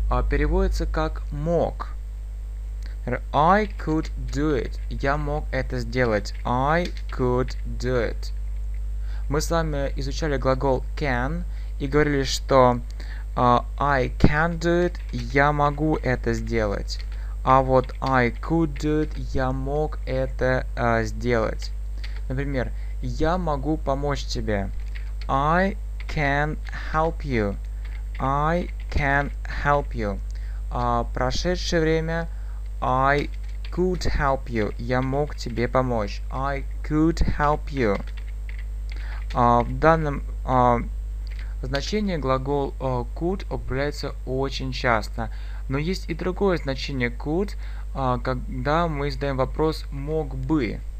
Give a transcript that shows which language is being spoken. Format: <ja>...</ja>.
<ru>Переводится как мог.</ru> <en>I could do it.</en> <ru>Я мог это сделать.</ru> <en>I could do it.</en> <ru>Мы с вами изучали глагол can и говорили, что</ru> <en>I can do it.</en> <ru>Я могу это сделать. А вот</ru> <en>I could do it.</en> <ru>Я мог это сделать. Например, я могу помочь тебе.</ru> <en>I can help you. I can help you.</en> <ru>Прошедшее время</ru> <en>I could help you.</en> <ru>Я мог тебе помочь.</ru> <en>I could help you.</en> <ru>В данном значении глагол could употребляется очень часто. Но есть и другое значение could, когда мы задаем вопрос мог бы.</ru>